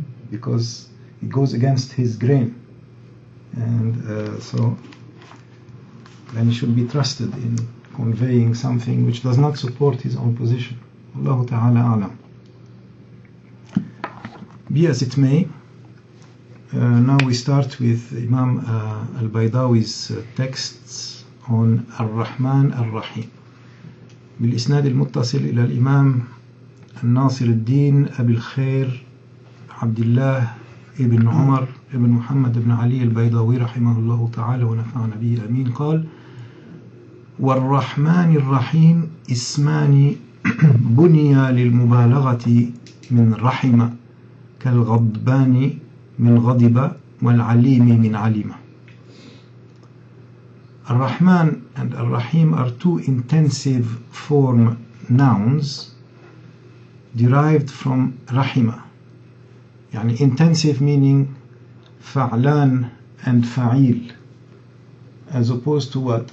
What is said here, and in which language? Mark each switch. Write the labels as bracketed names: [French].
[English] because it goes against his grain. And so then he should be trusted in conveying something which does not support his own position. [Arabic] Allahu ta'ala a'lam. [English] Be as it may, now we start with Imam al-Baydawi's texts on al-Rahman al-Rahim. [Arabic] بالإسناد المتصل إلى الإمام الناصر الدين أبي الخير عبد الله ابن عمر ابن محمد ابن علي البيضاوي رحمه الله تعالى ونفعنا به أمين قال والرحمن الرحيم اسمان بنيا للمبالغة من رحمة كالغضبان من غضبة والعليم من علمة. [English] Ar-Rahman and Ar-Rahim are two intensive form nouns derived from Rahima. Yani intensive meaning fa'lan and fa'il, as opposed to what?